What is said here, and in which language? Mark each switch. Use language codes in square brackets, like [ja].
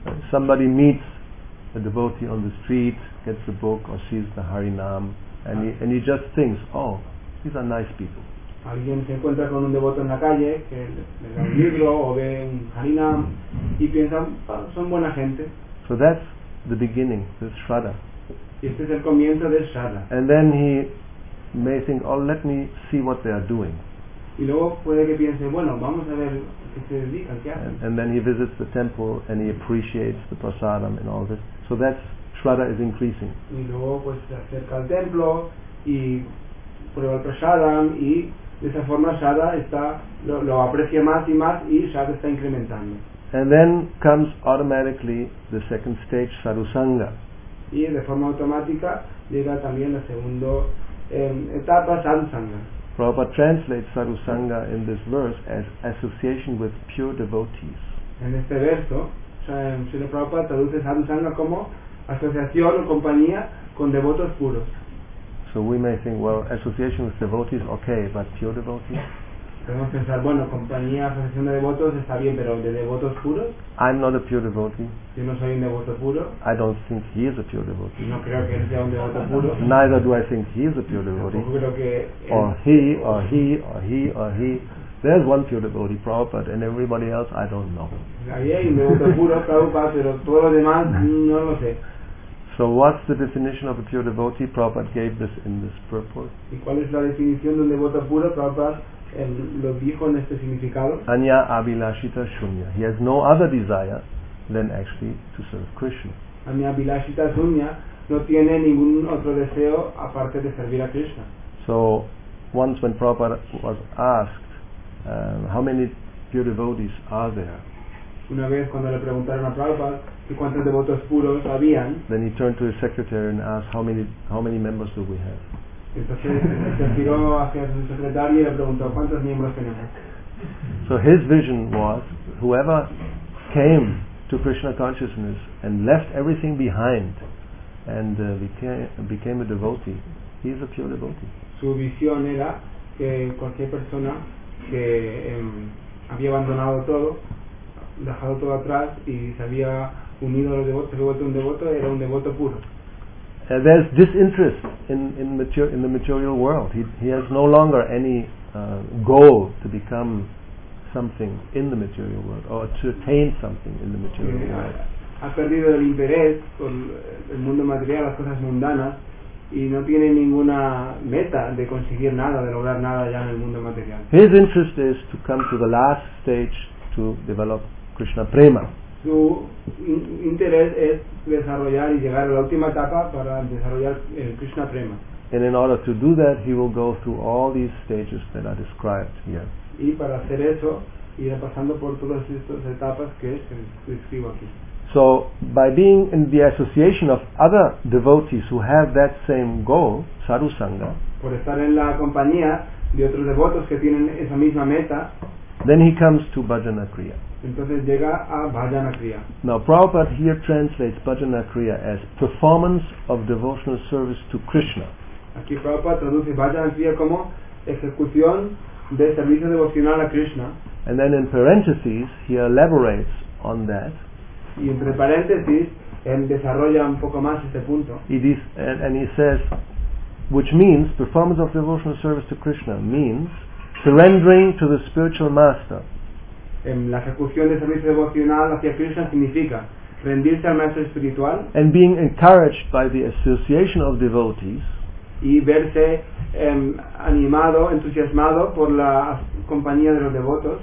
[en] Somebody meets a devotee on the street, gets a book or sees the Harinam, and he just thinks, oh, these are nice people. [es] Alguien se encuentra con un devoto en la calle que le da un libro o ve un Harinam y piensa, oh, son buena gente. [en] So that's the beginning, the Shraddha. [es] Y este es el comienzo de Shraddha. [en] And then he may think, oh, let me see what they are doing. [es] Y luego puede que piense, bueno, vamos a ver. [en] And then he visits the temple and he appreciates the prasadam and all this. So that's Shraddha is increasing. [es] Y luego pues se acerca al templo y prueba el prasadam y de esa forma Shraddha está lo aprecia más y más y Shraddha está incrementando. [en] And then comes automatically the second stage, sadhusanga. [es] Y de forma automática llega también la segunda etapa, sadhusanga. [en] Prabhupada translates Sadhu Sangha in this verse as association with pure devotees. [es] En este verso, Srila Prabhupada traduce Sadhu Sangha como asociación o compañía con devotos puros. [en] So we may think, well, association with devotees, okay, but pure devotees? [es] Podemos pensar, bueno, compañía, asociación de devotos está bien, pero de devotos puros? [en] I'm not a pure devotee. [es] Yo no soy un devoto puro. [en] I don't think he is a pure devotee. [es] No creo que él sea un devoto puro. [en] Neither do I think he is a pure devotee. [es] Tampoco creo que [en] or he, or he, or he, or he. There's one pure devotee, Prabhupada, and everybody else, I don't know. [es] Ahí hay un devoto puro, Prabhupada, pero todos los demás, no lo sé. [en] So what's the definition of a pure devotee? Prabhupada gave this in this purport. [es] ¿Y cuál es la definición de un devoto puro, Prabhupada? Lo dijo en este significado. [sa] Anya abhilashita shunya. [en] He has no other desire than actually to serve Krishna. [es] a mi abhilashita shunya no tiene ningún otro deseo aparte de servir a Krishna. [en] So once when Prabhupada was asked how many pure devotees are there, [es] una vez cuando le preguntaron a Prabhupada que cuántos devotos puros habían, [en] then he turned to his secretary and asked how many members do we have. [es] Entonces se giró hacia su secretario y le preguntó cuántos miembros tenemos. [en] So his vision was whoever came to Krishna consciousness and left everything behind and became a devotee, he is a pure devotee. [es] Su visión era que cualquier persona que había abandonado todo, dejado todo atrás y se había unido a los devotos, se vuelto un devoto, era un devoto puro. [en] There's disinterest in the material world. He has no longer any goal to become something in the material world or to attain something in the material world. [es] Ha perdido el interés por el mundo material, las cosas mundanas, y no tiene ninguna meta de conseguir nada, de lograr nada ya en el mundo material. [en] His interest is to come to the last stage to develop Krishna prema. [es] Su interés es desarrollar y llegar a la última etapa para desarrollar el Krishna prema. [en] And in order to do that, he will go through all these stages that are described here. [es] Y para hacer eso, irá pasando por todas estas etapas que describo aquí. [en] So, by being in the association of other devotees who have that same goal, Saru Sangha, [es] por estar en la compañía de otros devotos que tienen esa misma meta, [en] then he comes to Bhajana Kriya. [es] Entonces llega a Bhajana Kriya. [en] Now Prabhupada here translates Bhajana Kriya as performance of devotional service to Krishna. [es] Aquí Prabhupada traduce Bhajana Kriya como ejecución de servicio devocional a Krishna. [en] And then in parentheses he elaborates on that. [es] Y entre paréntesis él desarrolla un poco más este punto. [en] And he says, which means performance of devotional service to Krishna means surrendering to the spiritual master. [es] En la ejecución de servicio devocional hacia Krishna significa rendirse al maestro espiritual. [en] And being encouraged by the association of devotees. [es] Y verse animado, entusiasmado por la compañía de los devotos.